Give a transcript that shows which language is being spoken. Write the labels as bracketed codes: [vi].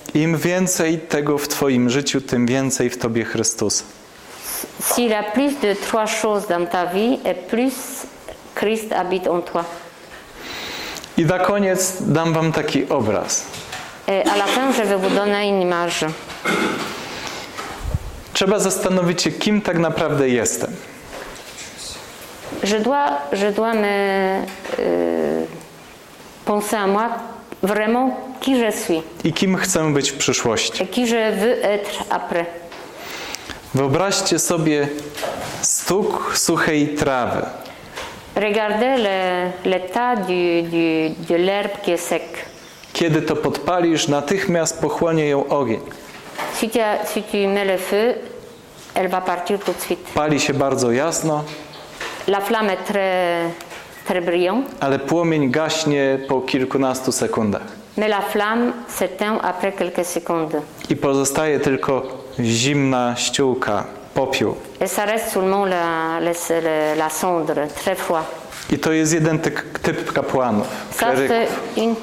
[pl] Im więcej tego w twoim życiu, tym więcej w tobie Chrystusa. [fr] Si la plus de trois choses dans ta vie et plus Christ habite en toi. [pl] I na koniec dam wam taki obraz. [fr] A la fin, je vais vous donner une image. [pl] Trzeba zastanowić się, kim tak naprawdę jestem. [fr] Je dois me penser à moi vraiment qui je suis. [pl] I kim chcę być w przyszłości. [fr] Et qui je veux être après. [pl] Wyobraźcie sobie stuk suchej trawy. [fr] Regardez l'état de l'herbe qui est sec. [pl] Kiedy to podpalisz, natychmiast pochłonie ją ogień. [fr] Si tu mets le feu, elle va partir tout de suite. [pl] Pali się bardzo jasno. [fr] La flamme est très brillante. [pl] Ale płomień gaśnie po kilkunastu sekundach. [fr] Mais la flamme s'éteint après quelques secondes. [pl] I pozostaje tylko zimna ściółka. Popiół. [fr] Et ça reste seulement la cendre, très froid. [pl] I to jest jeden typ kapłanów, kleryków.